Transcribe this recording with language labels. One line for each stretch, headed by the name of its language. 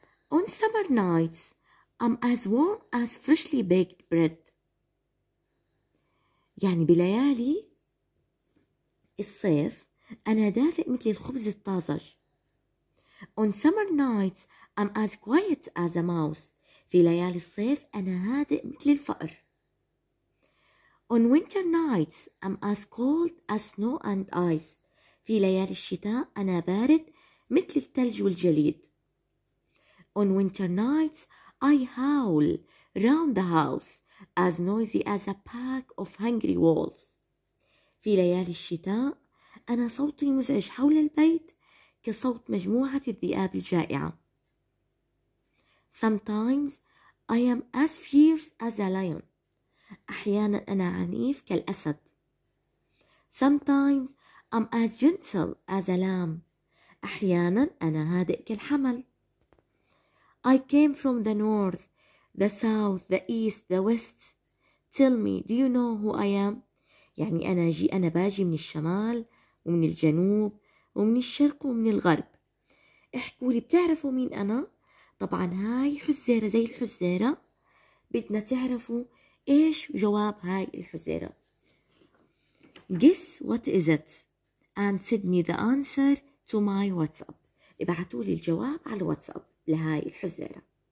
English: On summer nights, I'm as warm as freshly baked bread.
Arabic: يعني بليالي الصيف أنا دافئ مثل الخبز الطازج.
English: On summer nights, I'm as quiet as a mouse.
Arabic: في ليالي الصيف أنا هادئ مثل الفأر.
English: On winter nights, I'm as cold as snow and ice.
Arabic: في ليالي الشتاء أنا بارد مثل الثلج والجليد.
English: On winter nights, I howl round the house as noisy as a pack of hungry wolves.
Arabic: في ليالي الشتاء أنا صوتي مزعج حول البيت كصوت مجموعة الذئاب الجائعة.
English: Sometimes I am as fierce as a lion.
Arabic: أحيانا أنا عنيف كالأسد.
English: Sometimes I'm as gentle as a lamb.
Arabic: أحيانا أنا هادئ كالحمل.
English: I came from the north, the south, the east, the west. Tell me, do you know who I am?
Arabic: يعني أنا باجي من الشمال ومن الجنوب ومن الشرق ومن الغرب. احكوا لي بتعرفوا مين أنا؟ طبعا هاي حزيرة زي الحزيرة. بدنا تعرفوا إيش جواب هاي الحزيرة.
English: Guess what is it? And send me the answer to my WhatsApp.
Arabic: ابعتوا لي الجواب على الواتساب لهاي الحزيرة.